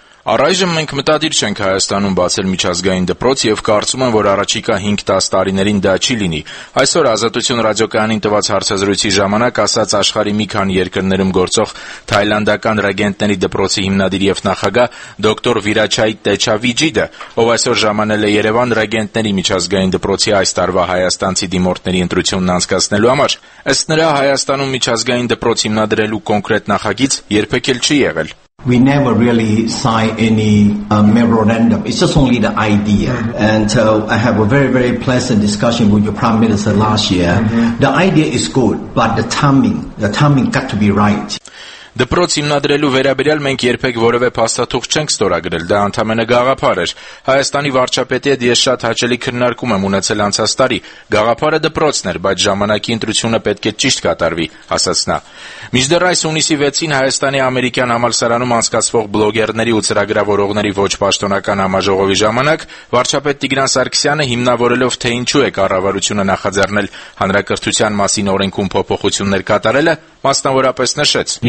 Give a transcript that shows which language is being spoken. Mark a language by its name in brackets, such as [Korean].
[Armenian] Առայժմ մենք մտադիր չենք Հայաստանում բացել միջազգային դպրոց և կարծում են, որ առաջիկա 5-10 տարիներին դա չի լինի։ Այսօր Ազատություն ռադիոկայանին տված հարցազրույցի ժամանակ ասաց աշխարհի մի քանի երկրներում գործող թայլանդական ռեգենտների դպրոցի հիմնադիր և նախագահ դոկտոր Վիրաչայ Տեչավիջիդը, ով այսօր ժամանել է Երևան ռեգենտների միջազգային դպրոցի այս տարվա հայաստանցի դիմորդների ընտրությունն անցկացնելու համար։ Ըստ նրա, Հայաստանում միջազգային դպրոց հիմնադրելու կոնկրետ նախագիծ երբեք չի եղել։ [English] We never really sign any memorandum. It's just only the idea. Mm-hmm. And I have a very, very pleasant discussion with your prime minister last year. Mm-hmm. The idea is good, but the timing got to be right. [Armenian] Դպրոց հիմնադրելու վերաբերյալ մենք երբեք որևէ փաստաթուղթ չենք ստորագրել, դա ընդամենը գաղափար էր։ Հայաստանի վարչապետի հետ ես շատ հաճելի քննարկում եմ ունեցել անցած տարի։ Գաղափարը դպրոցն էր, բայց ժամանակի ընտրությունը պետք է ճիշտ կատարվի, ասաց նա։ Մինչդեռ այս հունիսի 6-ին Հայաստանի ամերիկյան համալսարանում անցկացվող բլոգերների ու ծրագրավորողների ոչ պաշտոնական համաժողովի ժամանակ վարչապետ Տիգրան Սարգսյանը, հիմնավորելով թե ինչու է կառավարությունը նախաձեռնել հանրակրթության մասին օրենքում փոփոխություններ կատարելը, մասնավորապես նշեց.